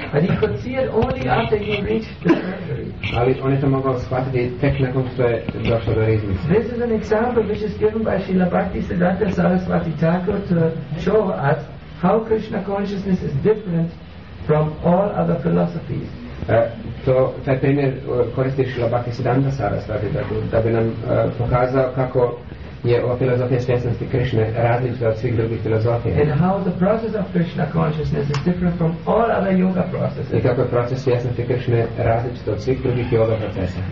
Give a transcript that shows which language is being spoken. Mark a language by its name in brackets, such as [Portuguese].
[English] But he could see it only after he reached the treasury. [Croatian] Ali on je to mogao shvatiti tek nakon što je došlo do riznice. [English] This is an example which is given by Srila Bhaktisiddhanta Saraswati Thakur to show us how Krishna consciousness is different from all other philosophies. [Croatian] Taj primjer koristi Srila Bhaktisiddhanta Saraswati da bi nam pokazao kako je ova filozofija svjesnosti Krishne različita od svih drugih filozofija. [English] And how the process of Krishna consciousness is different from all other yoga processes. [Croatian] I kako je proces svjesnosti Krishne različita od svih drugih yoga procesa.